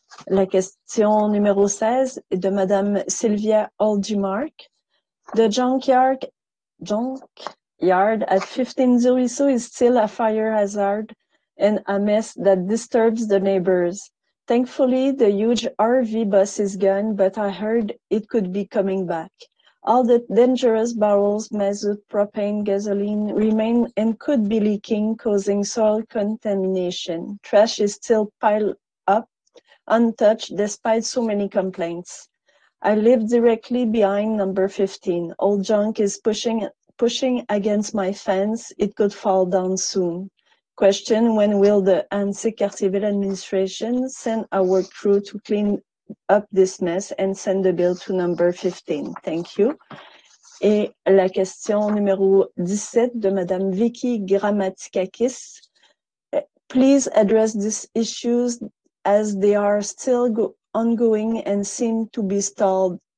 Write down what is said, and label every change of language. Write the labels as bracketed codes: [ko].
[fr] La question numéro 16 est de Madame Sylvia Oldjimark. [en] The junkyard at 15 Zuriso is still a fire hazard and a mess that disturbs the neighbors. Thankfully, the huge RV bus is gone, but I heard it could be coming back. All the dangerous barrels, mazut, propane, gasoline remain and could be leaking, causing soil contamination. Trash is still piled up, untouched, despite so many complaints. I live directly behind number 15. Old junk is pushing against my fence. It could fall down soon. Question, when will the Hanssik Cartierville administration send a work crew to clean up this mess and send the bill to number 15. Thank you. [fr] Et la question numéro 17 de Madame Vicky Grammatikakis. [en] Please address these issues as they are still ongoing and seem to be stalled.